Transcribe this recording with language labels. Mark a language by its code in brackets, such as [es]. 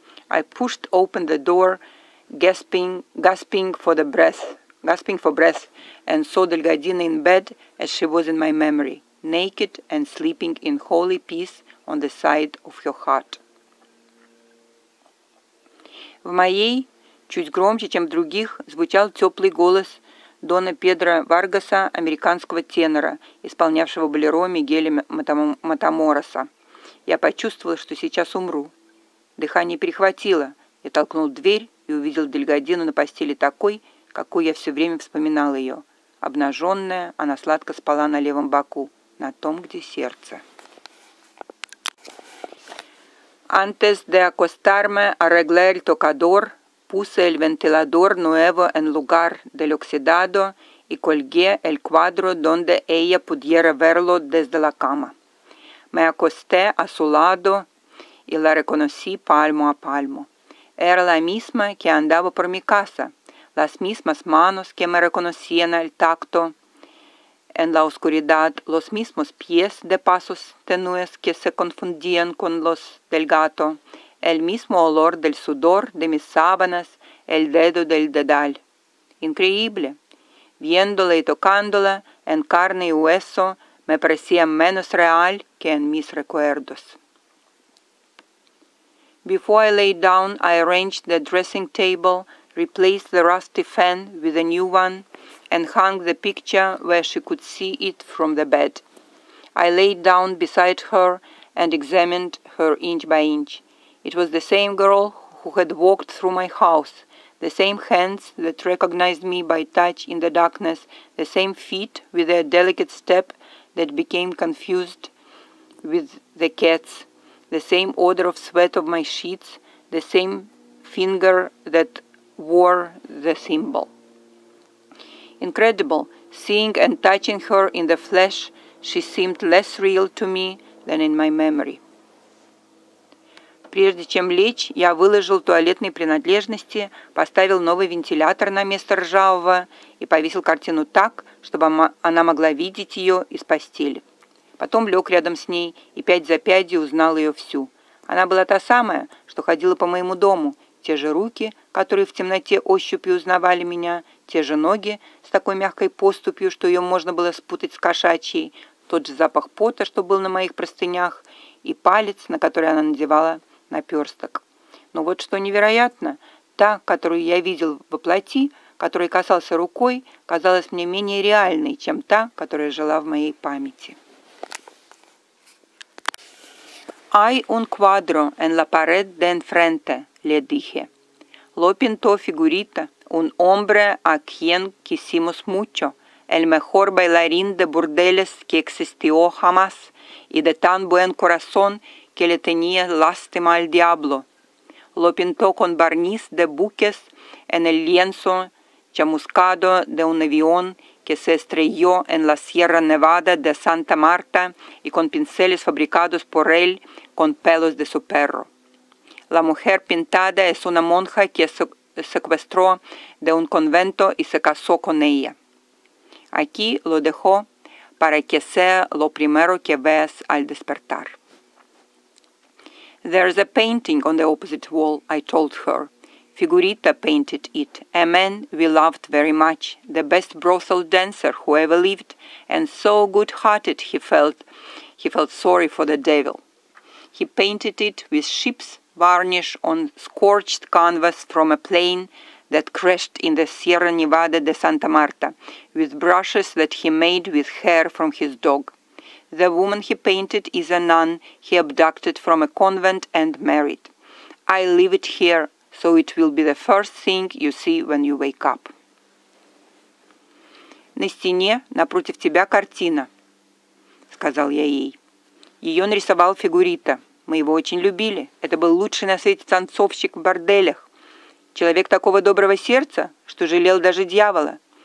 [en] I pushed open the door, gasping for breath, and saw Delgadina in bed as she was in my memory, naked and sleeping in holy peace on the side of her heart. [ru] В моей, чуть громче, чем в других, звучал теплый голос Дона Педро Варгаса, американского тенора, исполнявшего болеро Мигеля Матамороса. Я почувствовал, что сейчас умру. Дыхание перехватило. Я толкнул дверь и увидел Дельгадину на постели такой, какой я все время вспоминал ее. Обнаженная, она сладко спала на левом боку, на том, где сердце. [es] Antes de acostarme, arreglé el tocador, puse el ventilador nuevo en lugar del oxidado y colgué el cuadro donde ella pudiera verlo desde la cama. Me acosté a su lado y la reconocí palmo a palmo. Era la misma que andaba por mi casa, las mismas manos que me reconocían al tacto en la oscuridad, los mismos pies de pasos tenues que se confundían con los del gato, el mismo olor del sudor de mis sábanas, el dedo del dedal. Increíble. Viéndola y tocándola en carne y hueso, me parecía menos real que en mis recuerdos. [en] Before I lay down, I arranged the dressing table, replaced the rusty fan with a new one, and hung the picture where she could see it from the bed. I laid down beside her and examined her inch by inch. It was the same girl who had walked through my house, the same hands that recognized me by touch in the darkness, the same feet with their delicate step that became confused with the cat's, the same odor of sweat of my sheets, the same finger that wore the symbol. Incredible, seeing and touching her in the flesh, she seemed less real to me than in my memory. [ru] Прежде чем лечь, я выложил туалетные принадлежности, поставил новый вентилятор на место ржавого и повесил картину так, чтобы она могла видеть ее из постели. Потом лег рядом с ней и пять за пятью узнал ее всю. Она была та самая, что ходила по моему дому, те же руки, которые в темноте ощупью узнавали меня, те же ноги с такой мягкой поступью, что ее можно было спутать с кошачьей, тот же запах пота, что был на моих простынях, и палец, на который она надевала наперсток. Но вот что невероятно, та, которую я видел во плоти, которой касался рукой, казалась мне менее реальной, чем та, которая жила в моей памяти. [es] «Hay un cuadro en la pared de enfrente», le dije. «Lo pintó figurita». Un hombre a quien quisimos mucho, el mejor bailarín de burdeles que existió jamás y de tan buen corazón que le tenía lástima al diablo. Lo pintó con barniz de buques en el lienzo chamuscado de un avión que se estrelló en la Sierra Nevada de Santa Marta y con pinceles fabricados por él con pelos de su perro. La mujer pintada es una monja que se secuestró de un convento y se casó con ella. Aquí lo dejó para que sea lo primero que veas al despertar. [en] There's a painting on the opposite wall, I told her. Figurita painted it, a man we loved very much, the best brothel dancer who ever lived, and so good-hearted he felt sorry for the devil. He painted it with ships varnish on scorched canvas from a plane that crashed in the Sierra Nevada de Santa Marta, with brushes that he made with hair from his dog. The woman he painted is a nun he abducted from a convent and married. I leave it here, so it will be the first thing you see when you wake up. [ru] «На стене напротив тебя картина», — сказал я ей. «Ее нарисовал Фигурита. Мы его очень любили. Это был лучший на свете танцовщик в борделях. Человек такого доброго сердца, что жалел даже дьявола.